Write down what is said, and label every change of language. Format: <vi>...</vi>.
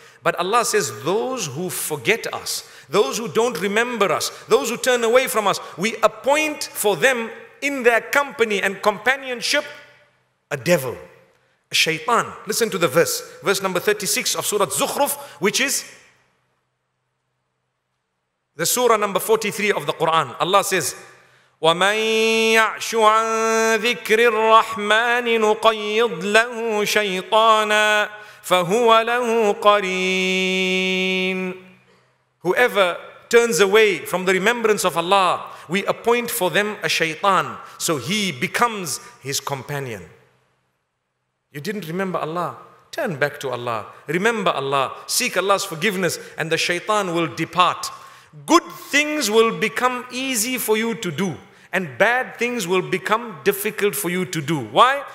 <en>But Allah says, those who forget us, those who don't remember us, those who turn away from us, we appoint for them in their company and companionship a devil, a shaitan. Listen to the verse. Verse number 36 of Surah Zukhruf, which is the surah number 43 of the Quran. Allah says,</en> <ar>وَمَنْ يَعْشُ عَن ذِكْرِ الرَّحْمَنِ نُقَيِّضْ لَهُ شَيْطَانًا فَهُوَ لَهُ قَرِينٌ.</ar> <en>Whoever turns away from the remembrance of Allah, we appoint for them a shaitan, so he becomes his companion. You didn't remember Allah. Turn back to Allah. Remember Allah. Seek Allah's forgiveness and the shaitan will depart. Good things will become easy for you to do and bad things will become difficult for you to do. Why?</en>